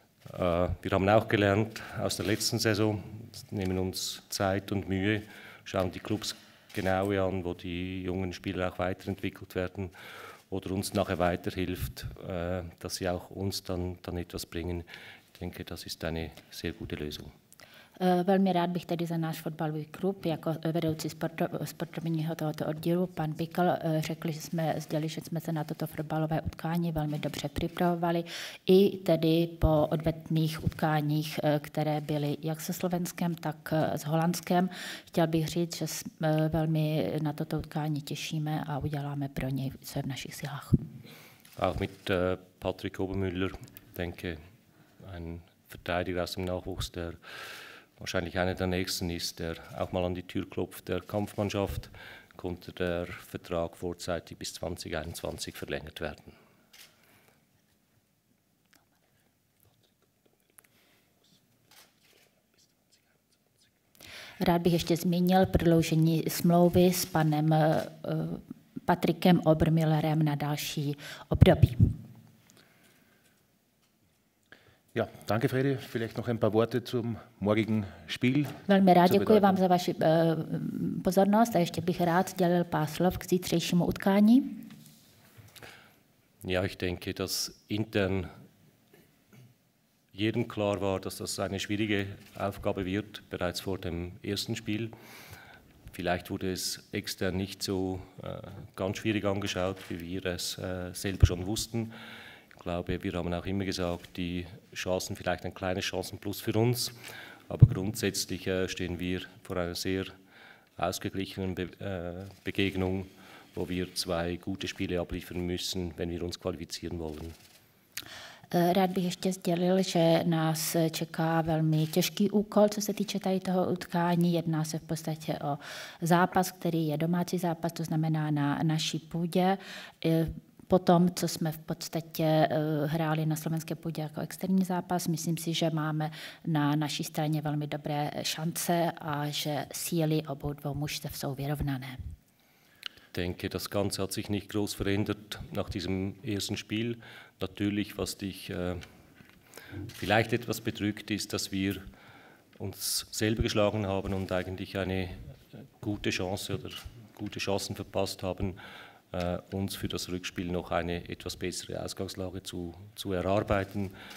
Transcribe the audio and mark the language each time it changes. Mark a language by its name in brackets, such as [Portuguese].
[German] Wir haben auch gelernt aus der letzten Saison, nehmen uns Zeit und Mühe, schauen die Clubs genau an, wo die jungen Spieler auch weiterentwickelt werden oder uns nachher weiterhilft, dass sie auch uns dann etwas bringen. Ich denke, das ist eine sehr gute Lösung. [Czech] Velmi rád bych tedy za náš fotbalový klub jako vedoucí sportovního tohoto oddílu, pan Bickel, řekl, že jsme sdělili, že jsme se na toto fotbalové utkání velmi dobře připravovali, i tedy po odvetných utkáních, které byly jak se Slovenskem, tak s Holandskem. Chtěl bych říct, že jsme velmi na toto utkání těšíme a uděláme pro něj, co je v našich silách. [German] Auch mit Patrick Obermüller, denke, ein Verteidiger aus dem Nachwuchs, der wahrscheinlich einer der Nächsten ist, der auch mal an die Tür klopft der Kampfmannschaft, konnte der Vertrag vorzeitig bis 2021 verlängert werden. [Czech] Rád bych ještě zmínil prodloužení smlouvy s panem Patrikem Obermüllerem na další období. [German] Ja, danke, Freddy. Vielleicht noch ein paar Worte zum morgigen Spiel. [Czech] Velmi rád děkuji vám za vaši pozornost a ještě bych rád sdělil pár slov k zítřejšímu utkání. [German] Ja, ich denke, dass intern jedem klar war, dass das eine schwierige Aufgabe wird, bereits vor dem ersten Spiel. Vielleicht wurde es extern nicht so ganz schwierig angeschaut, wie wir es selber schon wussten. Ich glaube, wir haben auch immer gesagt, die Chancen, vielleicht ein kleines Chancenplus für uns, aber grundsätzlich stehen wir vor einer sehr ausgeglichenen Begegnung, wo wir zwei gute Spiele abliefern müssen, wenn wir uns qualifizieren wollen. [Czech] Rád bych ještě sdělil, že nás čeká velmi těžký úkol, co se týče tady toho utkání. Jedná se v podstatě o zápas, který je domácí zápas, to znamená na naší půdě. Po tom, co jsme v podstatě hráli na slovenské půdě jako externí zápas, myslím si, že máme na naší straně velmi dobré šance a že síly obou dvou mužstev jsou vyrovnané. [German] Ich denke, das Ganze hat sich nicht groß verändert nach diesem ersten Spiel. Natürlich, was dich vielleicht etwas bedrückt, ist, dass wir uns selber geschlagen haben und eigentlich eine gute Chance oder gute Chancen verpasst haben, uns für das Rückspiel noch eine etwas bessere Ausgangslage zu erarbeiten.